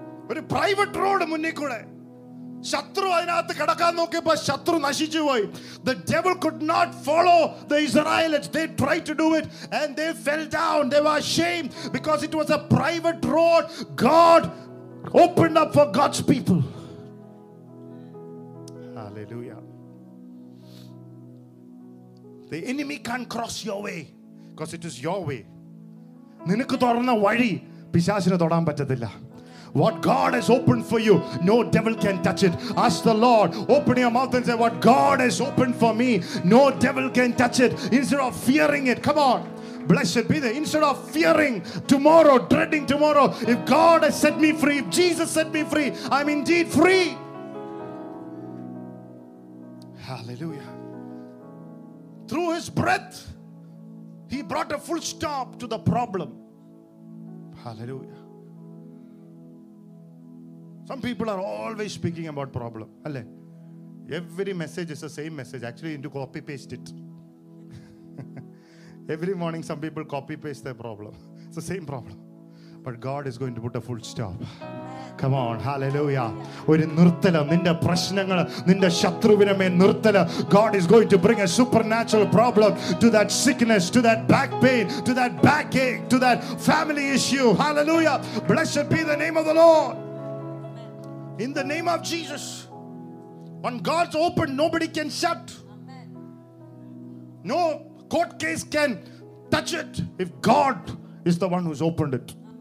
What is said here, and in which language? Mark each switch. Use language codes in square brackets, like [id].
[ml] ഒരു private road മുന്നിൽ കൂടെ ശത്രു അതിനകത്ത് കിടക്കാൻ നോക്കിയപ്പോ ശത്രു നശിച്ചു പോയി. [en] The devil could not follow the Israelites. They tried to do it and they fell down. They were ashamed because it was a private road God opened up for God's people. Hallelujah. The enemy can't cross your way because it is your way. [ml] നിനക്ക് തുറന്ന വഴി പിശാചിനെ തൊടാൻ പറ്റത്തില്ല. [en] What God has opened for you, no devil can touch it. Ask the Lord, open your mouth and say, what God has opened for me, no devil can touch it. Instead of fearing it, come on. Blessed be the Lord. Instead of fearing tomorrow, dreading tomorrow, if God has set me free, if Jesus set me free, I'm indeed free. Hallelujah. Through his breath, he brought a full stop to the problem. Hallelujah. Some people are always speaking about problem. Every message is the same message. Actually, you need to copy paste it. Every morning, some people copy paste their problem. It's the same problem. But God is going to put a full stop. Come on, hallelujah. [ml] ഒരു നിർത്തലം, നിന്റെ പ്രശ്നങ്ങൾ, നിന്റെ ശത്രുവിനമേ നിർത്തല. [en] God is going to bring a supernatural problem to that sickness, to that back pain, to that backache, to that family issue. Hallelujah. Blessed be the name of the Lord. In the name of Jesus. When God's open, nobody can shut. No court case can touch it if God is the one who's opened it.